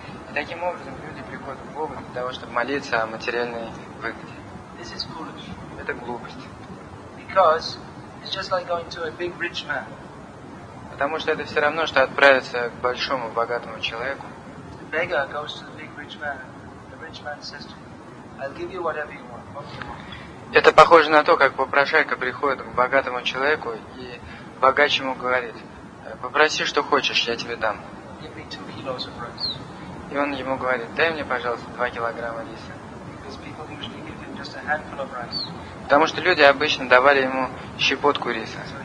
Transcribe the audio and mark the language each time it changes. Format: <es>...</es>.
<ru>И таким образом люди приходят к Богу для того, чтобы молиться о материальной выгоде.</ru> <en>This is foolish.</en> <ru>Это глупость.</ru> <en>Because it's just like going to a big rich man.</en> <ru>Потому что это все равно, что отправиться к большому богатому человеку.</ru> <en>The beggar goes to the big rich man. The rich man says to him, "I'll give you whatever you want."</en> <ru>Это похоже на то, как попрошайка приходит к богатому человеку и богач ему говорит: "Попроси, что хочешь, я тебе дам."</ru> <en>Give me 2 kilos of rice.</en> <ru>И он ему говорит: "Дай мне, пожалуйста, 2 килограмма риса."</ru> <en>Because people usually give him just a handful of rice.</en> <ru>Потому что люди обычно давали ему щепотку риса.</ru>